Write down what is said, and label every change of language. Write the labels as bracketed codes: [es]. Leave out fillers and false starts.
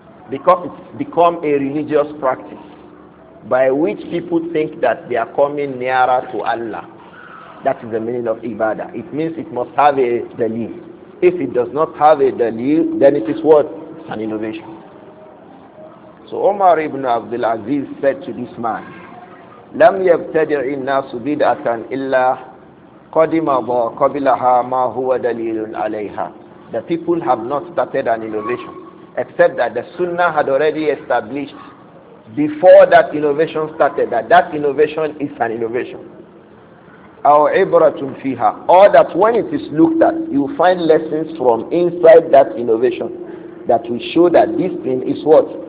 [en] Because it's become a religious practice by which people think that they are coming nearer to Allah. That is the meaning of ibadah. It means it must have a dalil. If it does not have a dalil, then it is what? It's an innovation. So Umar ibn Abdul Aziz said to this man, [ar] لم يبتدع الناس بدعة إلا قدما قبلها ما هو دليل عليها. [en] The people have not started an innovation, except that the Sunnah had already established before that innovation started that that innovation is an innovation. [ar] أو عبرة فيها, [en] or that when it is looked at, you find lessons from inside that innovation that will show that this thing is what?